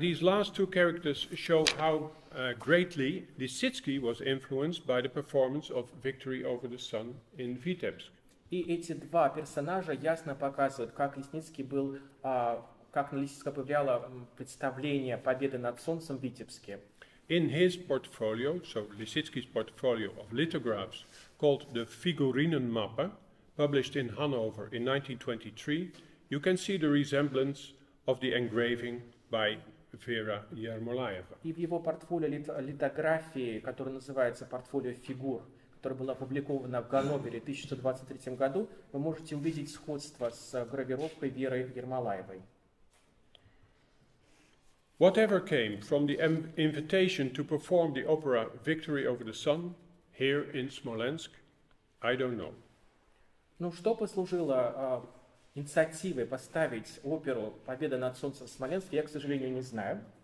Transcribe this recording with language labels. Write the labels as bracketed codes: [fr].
[en] These last two characters show how greatly Лисицкий was influenced by the performance of Victory Over the Sun in Vitebsk. [ru] И эти два персонажа ясно показывают, как Лисицкий был, как на Лисицкого повлияло представление «Победы над солнцем» в Витебске. [en] In his portfolio, so Lisicki's portfolio of lithographs called the Figurinenmappe, published in Hanover in 1923, you can see the resemblance of the engraving by Вера Ермолаева. [ru] И в его портфолио литографии, которое называется «Портфолио фигур», которая была опубликована в Ганновере в 1923 году, вы можете увидеть сходство с гравировкой Веры Ермолаевой. [en] Whatever came from the invitation to perform the opera Victory Over the Sun here in Smolensk, I don't know. [ru] Ну, что послужило инициативой поставить оперу «Победа над солнцем» в Смоленске, я, к сожалению, не знаю.